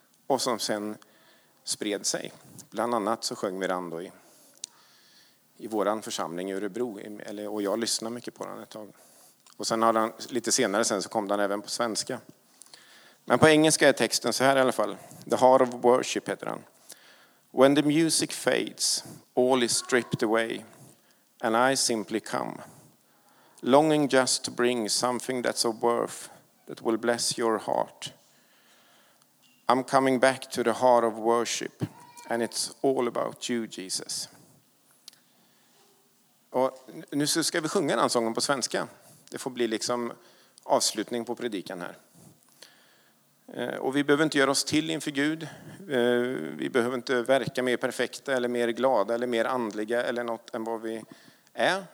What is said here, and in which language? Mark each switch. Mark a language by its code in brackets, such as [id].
[sv] Och som sen spred sig. Bland annat så sjöng vi den då i våran församling i Örebro, och jag lyssnade mycket på den ett tag. Och sen har den, lite senare sen så kom den även på svenska. Men på engelska är texten så här i alla fall. The Heart of Worship heter den. [en] When the music fades, all is stripped away, and I simply come. Longing just to bring something that's of worth, that will bless your heart. I'm coming back to the heart of worship, and it's all about you, Jesus. [sv] Och nu ska vi sjunga den sången på svenska. Det får bli liksom avslutning på predikan här. Och vi behöver inte göra oss till inför Gud. Vi behöver inte verka mer perfekta eller mer glada eller mer andliga eller något än vad vi är.